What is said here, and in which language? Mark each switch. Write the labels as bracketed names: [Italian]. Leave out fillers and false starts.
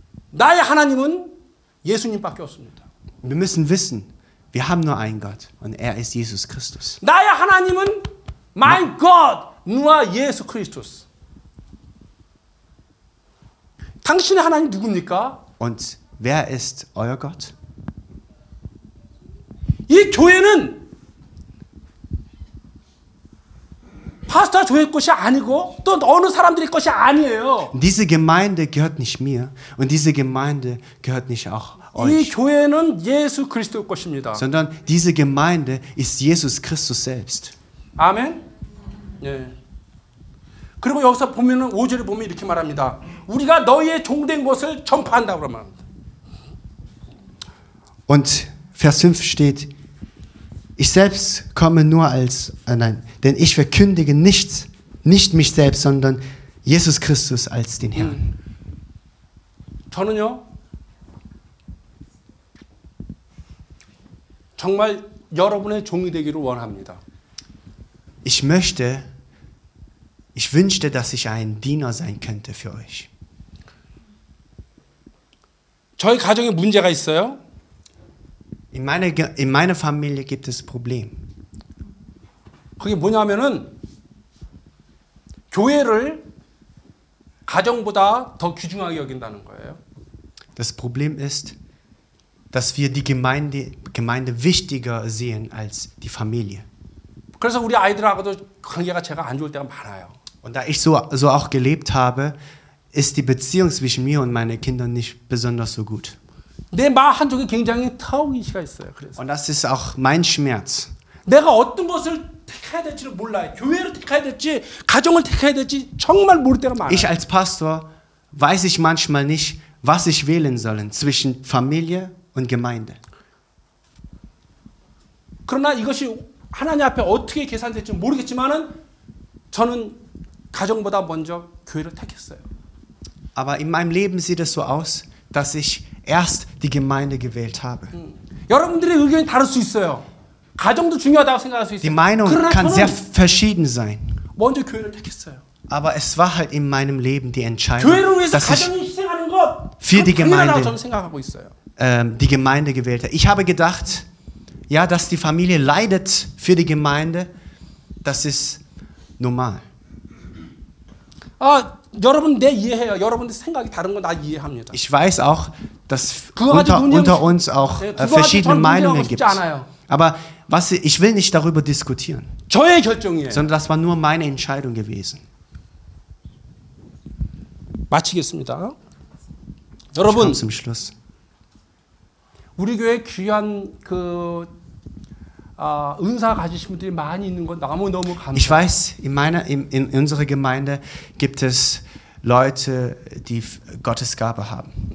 [Korean] 나의 하나님은 예수님밖에 없습니다. [German] Wir müssen wissen, wir haben nur einen Gott und er ist Jesus Christus. [Korean] 나의 하나님은 [German] mein Gott, nur Jesus Christus. [Korean] 당신의 하나님 누굽니까? [German] Und wer ist euer Gott? [Korean] 이 교회는 파스터 조의 것이 아니고 또 어느 사람들의 것이 아니에요. [German] Diese Gemeinde gehört nicht mir und diese Gemeinde gehört nicht auch euch. [Korean] 이 교회는 예수 그리스도 것입니다. [German] Sondern diese Gemeinde ist Jesus Christus selbst. [Korean] 아멘. 예. 그리고 여기서 보면은 5절을 보면 이렇게 말합니다. 우리가 너희의 종된 것을 전파한다 그러면. [German] Und Vers 5 steht: Ich selbst komme nur als, nein, denn ich verkündige nichts, nicht mich selbst, sondern Jesus Christus als den Herrn. [Korean] 저는요, 정말 여러분의 종이 되기를 원합니다. [German] Ich möchte, ich wünschte, dass ich ein Diener sein könnte für euch. [Korean] 저희 가정에 문제가 있어요. [German] In meiner Familie gibt es Probleme. [Korean] 그게 뭐냐면은 교회를 가정보다 더 귀중하게 여긴다는 거예요. [German] Das Problem ist, dass wir die Gemeinde wichtiger sehen als die Familie. [Korean] 그래서 우리 아이들하고도 관계가 제가 안 좋을 때가 많아요. [German] Und da ich so auch gelebt habe, ist die Beziehung zwischen mir und meinen Kindern nicht besonders so gut. [Korean] 내 마음 한쪽에 굉장히 타우기시가 있어요. 그래서. [German] Und das ist auch mein Schmerz. [Korean] 내가 어떤 것을 택해야 될지를 몰라요. 교회를 택해야 될지, 가정을 택해야 될지 정말 모를 때가 많아요. [German] Ich als Pastor weiß ich manchmal nicht, was ich wählen sollen zwischen Familie und Gemeinde. [Korean] 그러나 이것이 하나님 앞에 어떻게 계산될지 모르겠지만은 저는 가정보다 먼저 교회를 택했어요. [German] Aber in meinem Leben sieht es so aus, dass ich erst die Gemeinde gewählt habe. [Korean] 여러분들의 의견이 다를 수 있어요. 가정도 중요하다고 생각할 수 있어요. [German] Die Meinung kann sehr verschieden sein. [Korean] 먼저 교회를 택했어요. [German] Aber es war halt in meinem Leben die Entscheidung, [Korean] 교회를 위해서 [German] dass [Korean] 가정이 희생하는 것, [German] für die Gemeinde, [Korean] 저는 생각하고 있어요. [German] Die Gemeinde gewählt habe. Ich habe gedacht, ja, dass die Familie leidet für die Gemeinde, das ist normal. [Korean] 아, 여러분, 내 이해해요. 여러분들 생각이 다른 건 나 이해합니다. [German] Ich weiß auch, dass unter uns auch verschiedene Meinungen gibt. Aber ich will nicht darüber diskutieren. [Korean] 저의 결정이에요. [German] Sondern das war nur meine Entscheidung gewesen. [Korean] 마치겠습니다. 여러분, [German] ich komme zum Schluss. [Korean] 우리 교회 귀한 그 은사 가지신 분들이 많이 있는 건 너무 감사. [German] Ich weiß, in unserer Gemeinde gibt es Leute, die Gottes Gabe haben.